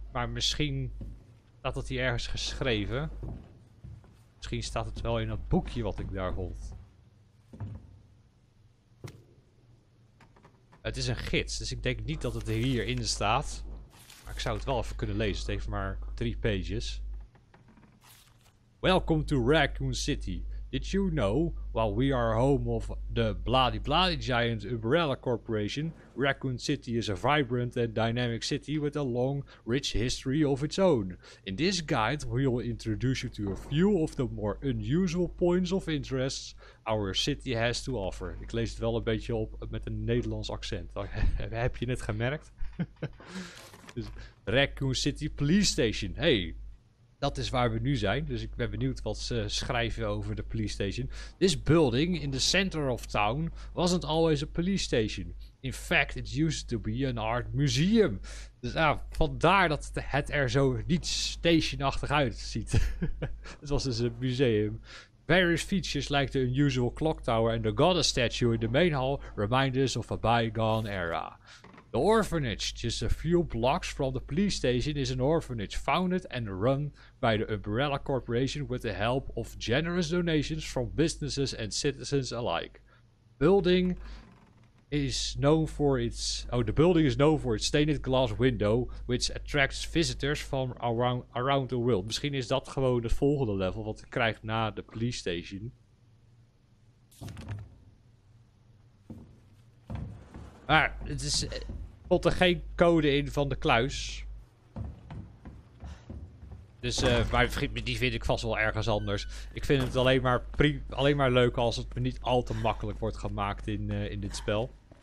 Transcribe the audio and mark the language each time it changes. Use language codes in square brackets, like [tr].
[nl] Maar misschien staat dat hier ergens geschreven. Misschien staat het wel in dat boekje wat ik daar vond. Het is een gids. Dus ik denk niet dat het hierin staat. Maar ik zou het wel even kunnen lezen. Het heeft maar 3 pages. [en] Welcome to Raccoon City. Did you know, while we are home of the bloody bloody giant Umbrella Corporation, Raccoon City is a vibrant and dynamic city with a long, rich history of its own. In this guide, we will introduce you to a few of the more unusual points of interest our city has to offer. [nl] Ik lees het wel een beetje op met een Nederlands accent. Heb je het gemerkt? Dus, Raccoon City Police Station. Hey. Dat is waar we nu zijn, dus ik ben benieuwd wat ze schrijven over de police station. [en] This building in the center of town wasn't always a police station. In fact, it used to be an art museum. [nl] Dus vandaar dat het er zo niet stationachtig uitziet. Het was dus een museum. [en] Various features like the unusual clock tower and the goddess statue in the main hall remind us of a bygone era. The orphanage, just a few blocks from the police station, is an orphanage founded and run by the Umbrella Corporation with the help of generous donations from businesses and citizens alike. Building is known for its... Oh, the building is known for its stained glass window, which attracts visitors from around the world. [nl] Misschien is dat gewoon het volgende level wat je krijgt na de police station. Maar het is... Komt er geen code in van de kluis. Dus, maar die vind ik vast wel ergens anders. Ik vind het alleen maar leuk als het me niet al te makkelijk wordt gemaakt in dit spel.